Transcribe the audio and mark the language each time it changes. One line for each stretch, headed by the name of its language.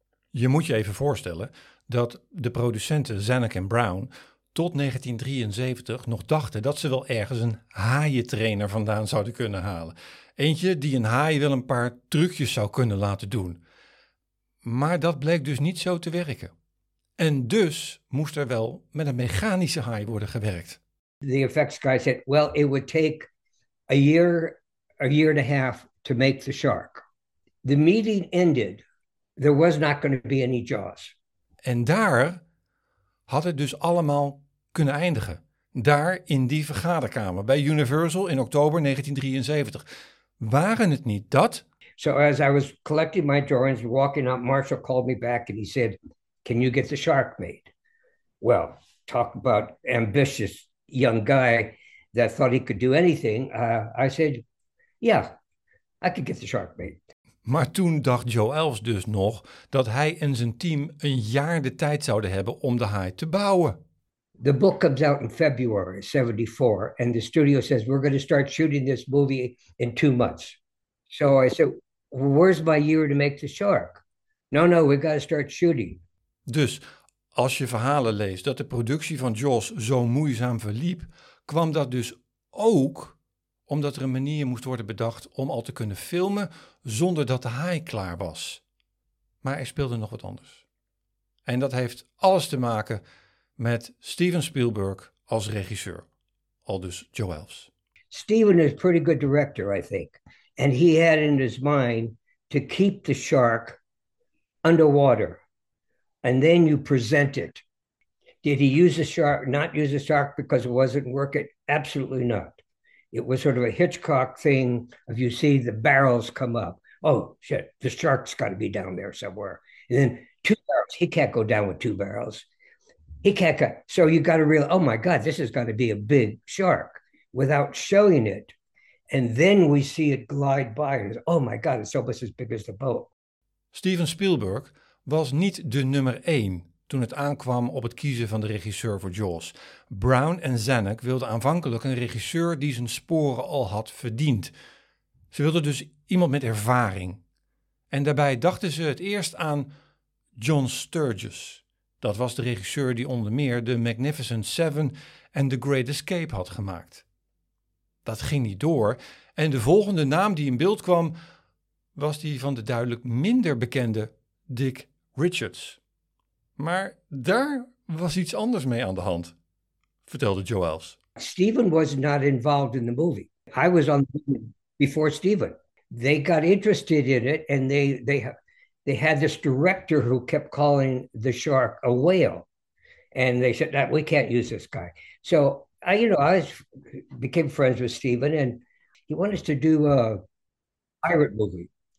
Dutch: Je moet je even voorstellen dat de producenten Zanuck en Brown tot 1973 nog dachten dat ze wel ergens een haaientrainer vandaan zouden kunnen halen. Eentje die een haai wel een paar trucjes zou kunnen laten doen. Maar dat bleek dus niet zo te werken. En dus moest er wel met een mechanische haai worden gewerkt.
English: The effects guy said, well, it would take a year and a half to make the shark. The meeting ended. There was not going to be any Jaws.
Dutch: En daar had het dus allemaal kunnen eindigen. Daar in die vergaderkamer bij Universal in oktober 1973. Waren het niet dat?
English: So as I was collecting my drawings, walking up, Marshall called me back and he said, can you get the shark made? Well, talk about ambitious young guy that thought he could do anything. I said, yeah, I could get the shark made.
Dutch: Maar toen dacht Joe Elfs dus nog dat hij en zijn team een jaar de tijd zouden hebben om de haai te bouwen.
English: The book comes out in February 74 and the studio says we're going to start shooting this movie in 2 months. So I said, where's my year to make the shark? No, we've got to start shooting.
Dutch: Dus als je verhalen leest dat de productie van Jaws zo moeizaam verliep, kwam dat dus ook omdat er een manier moest worden bedacht om al te kunnen filmen zonder dat de haai klaar was. Maar er speelde nog wat anders. En dat heeft alles te maken met Steven Spielberg als regisseur, aldus Joe Elfs.
English: Steven is a pretty good director, I think. And he had in his mind to keep the shark underwater. And then you present it. Did he use the shark, not use the shark because it wasn't working? Absolutely not. It was sort of a Hitchcock thing of you see the barrels come up. Oh, shit, the shark's got to be down there somewhere. And then 2 barrels, he can't go down with 2 barrels. He can't go. So you got to realize, oh, my God, this has got to be a big shark without showing it. And then we see it glide by. And oh, my God, it's almost as big as the boat.
Dutch: Steven Spielberg was niet de nummer 1 toen het aankwam op het kiezen van de regisseur voor Jaws. Brown en Zanuck wilden aanvankelijk een regisseur die zijn sporen al had verdiend. Ze wilden dus iemand met ervaring. En daarbij dachten ze het eerst aan John Sturges. Dat was de regisseur die onder meer The Magnificent Seven en The Great Escape had gemaakt. Dat ging niet door. En de volgende naam die in beeld kwam was die van de duidelijk minder bekende Dick Richards. Maar daar was iets anders mee aan de hand, vertelde Joe Elfs.
English: Steven was not involved in the movie. I was on the movie before Steven. They got interested in it and they had this director who kept calling the shark a whale. And they said, we can't use this guy. So, I became friends with Steven and he wanted us to do a pirate movie.